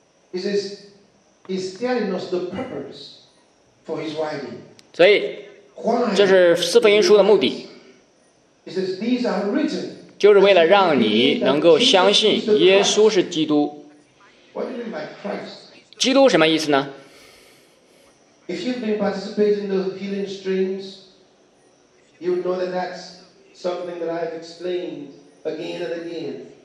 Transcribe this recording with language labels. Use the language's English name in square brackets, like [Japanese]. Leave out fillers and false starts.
[English] He says, he's telling us the purpose for his writing. [Chinese] 所以，这是四福音书的目的。 [English] He says, these are written. [Chinese] 就是为了让你能够相信耶稣是基督。 [English] What do you mean by Christ? [Chinese] 基督什么意思呢？ [English] If you've been participating in the healing streams, you would know that that's something that I've explained again and again.